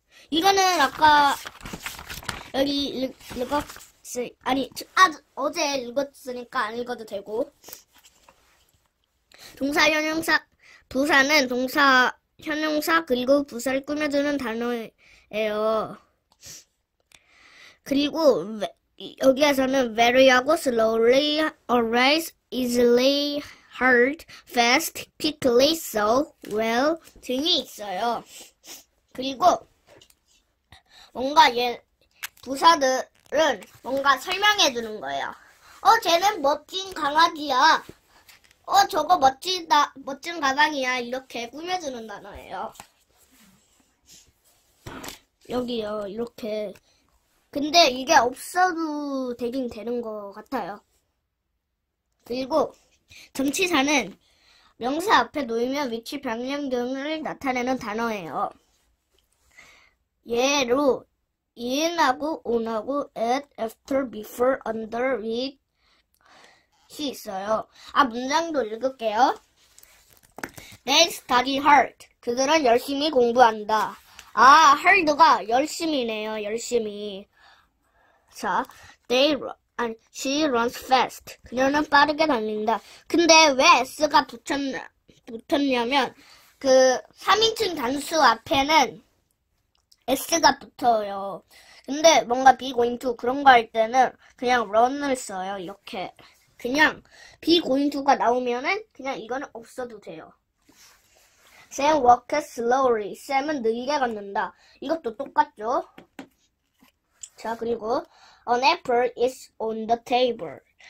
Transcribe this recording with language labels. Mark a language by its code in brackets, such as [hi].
[ko] 이거는 아까 여기 아니, 어제 읽었으니까 안 읽어도 되고. 동사, 형용사, 부사는 동사, 형용사, 그리고 부사를 꾸며주는 단어예요. 그리고 여기에서는 very하고 slowly, always, easily, hard, fast, quickly, so, well 등이 있어요. 그리고 뭔가 얘, 부사들, 은 뭔가 설명해 주는 거예요. 쟤는 멋진 강아지야. 저거 멋지다. 멋진 가방이야. 이렇게 꾸며 주는 단어예요. 여기요. 이렇게. 근데 이게 없어도 되긴 되는 것 같아요. 그리고 정치사는 명사 앞에 놓이면 위치 변경 등을 나타내는 단어예요. 예로 in하고 on하고 at, after, before, under, with이 있어요. 아, 문장도 읽을게요. [en] They study hard. [ko] 그들은 열심히 공부한다. 아, hard가 열심히네요. 열심히. [en] 자, they [ko] 아니, [en] she runs fast. [ko] 그녀는 빠르게 달린다. 근데 왜 s가 붙었냐면 그 3인칭 단수 앞에는 s가 붙어요. 근데 뭔가 be going to 그런 거할 때는 그냥 run을 써요. 이렇게 그냥 be going to가 나오면은 그냥 이거는 없어도 돼요. [en] Sam walks slowly. [ko] Sam은 느리게 걷는다. 이것도 똑같죠? 자, 그리고 [en] an apple is on the table.